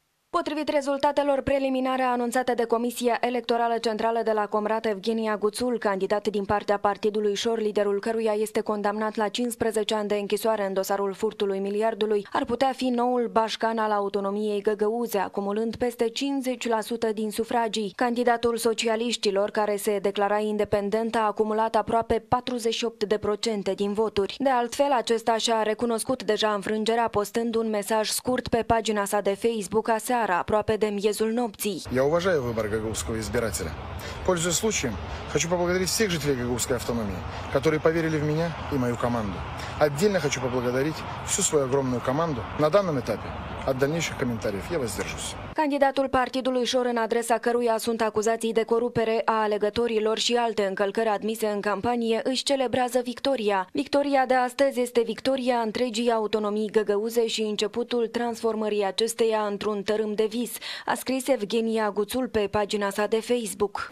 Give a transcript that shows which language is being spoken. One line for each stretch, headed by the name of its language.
Romanian: Potrivit rezultatelor preliminare anunțate de Comisia Electorală Centrală de la Comrat, Evgenia Guțul, candidat din partea partidului Șor, liderul căruia este condamnat la 15 ani de închisoare în dosarul furtului miliardului, ar putea fi noul bașcan al autonomiei găgăuze, acumulând peste 50% din sufragii. Candidatul socialiștilor, care se declara independent, a acumulat aproape 48% din voturi. De altfel, acesta și-a recunoscut deja înfrângerea, postând un mesaj scurt pe pagina sa de Facebook aseară, aproape de miezul nopții.
Russian: Я уважаю выбор Гагаузского избирателя. Пользуясь случаем, хочу поблагодарить всех жителей Гагаузской автономии, которые поверили в меня и мою команду. Отдельно хочу поблагодарить всю свою огромную команду. На данном этапе от дальнейших комментариев я воздержусь.
Romanian: Candidatul partidului Șor, în adresa căruia sunt acuzații de corupere a alegătorilor și alte încălcări admise în campanie, își celebrează victoria. Victoria de astăzi este victoria întregii autonomii găgăuze și începutul transformării acesteia într-un tărâm de vis, a scris Evgenia Guțul pe pagina sa de Facebook.